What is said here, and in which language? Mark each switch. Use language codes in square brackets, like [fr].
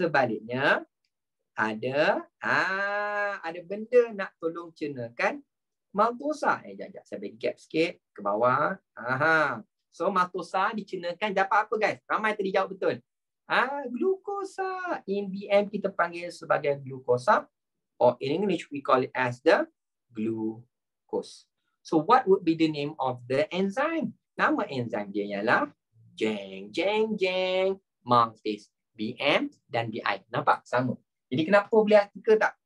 [ms] Sebaliknya, ada benda nak tolong cernakan maltosa. Jap, saya bagi gap sikit ke bawah. So, maltosa dicernakan dapat apa guys? Ramai tadi jawab betul. Glukosa. [en] In BM [ms] kita panggil sebagai glukosa. [en] Or in English, we call it as the glucose. So, what would be the name of the enzyme? [ms] Nama enzyme dia ialah jeng, maltase, BM dan BI. Nampak? Sama. Jadi kenapa boleh artikel tak?